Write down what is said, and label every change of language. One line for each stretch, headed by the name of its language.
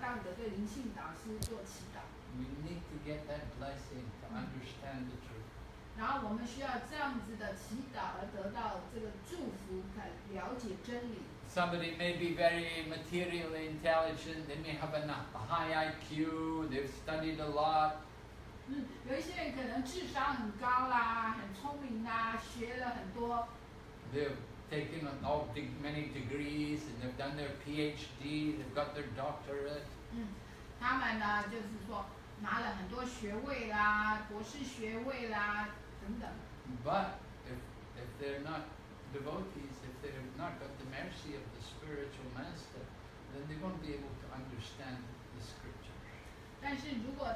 Chinese: 所以这个灵师八颂还有灵师颂歌呢，都是这些祷文来让我们可以就是说恰当的对灵性导师做祈祷。
English: We need to get that blessing to understand the truth.
Chinese: 然后我们需要这样子的祈祷而得到这个祝福，来了解真理。
English: Somebody may be very materially intelligent, they may have a high IQ, they've studied a lot.
Chinese: 有一些人可能智商很高啦，很聪明啦，学了很多。
English: They've taken all many degrees, and they've done their PhD, they've got their doctorate.
Chinese: 他们呢，就是说，拿了很多学位啦，博士学位啦，等等。
English: But if they're not devotees, if they have not got the mercy of the spiritual master, then they won't be able to understand the scripture.